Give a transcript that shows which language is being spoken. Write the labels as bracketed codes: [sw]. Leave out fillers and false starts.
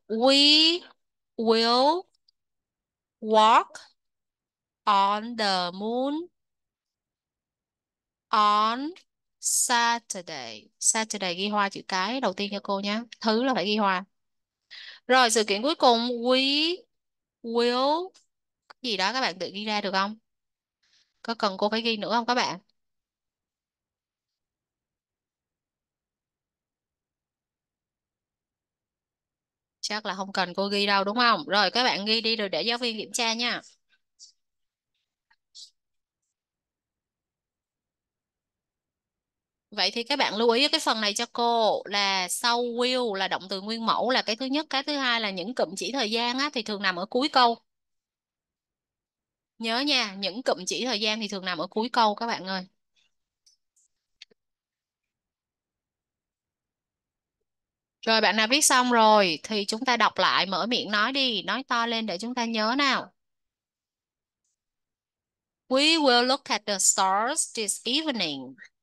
[en] We will walk on the moon on Saturday. [vi] Saturday ghi hoa chữ cái đầu tiên cho cô nhé. Thứ là phải ghi hoa. Rồi sự kiện cuối cùng. [en] We will [vi] gì đó các bạn tự ghi ra được không? Có cần cô phải ghi nữa không các bạn? Chắc là không cần cô ghi đâu đúng không? Rồi các bạn ghi đi rồi để giáo viên kiểm tra nha. Vậy thì các bạn lưu ý cái phần này cho cô là sau will là động từ nguyên mẫu là cái thứ nhất, cái thứ hai là những cụm chỉ thời gian á, thì thường nằm ở cuối câu. Nhớ nha, những cụm chỉ thời gian thì thường nằm ở cuối câu các bạn ơi. Rồi bạn nào viết xong rồi thì chúng ta đọc lại, mở miệng nói đi, nói to lên để chúng ta nhớ nào. [en] We will look at the stars this evening.